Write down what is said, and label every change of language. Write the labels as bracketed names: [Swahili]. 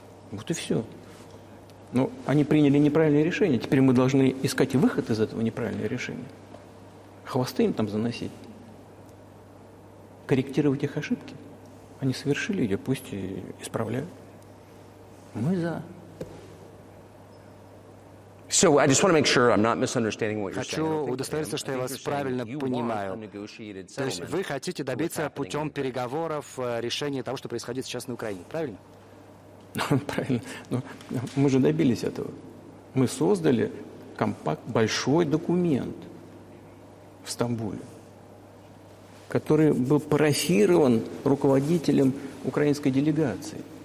[Russian] Вот и все. Но они приняли неправильное решение. Теперь мы должны искать выход из этого неправильного решения. Хвосты им там заносить. Корректировать их ошибки. Они совершили ее, пусть и исправляют. Мы за. [English] So I just want to make sure I'm not misunderstanding what you're saying. [Russian] Хочу удостовериться, что я вас правильно понимаю. То есть вы хотите добиться путем переговоров решения того, что происходит сейчас на Украине, правильно? Правильно. Но мы же добились этого. Мы создали компакт, большой документ в Стамбуле, который был парафирован руководителем украинской делегации.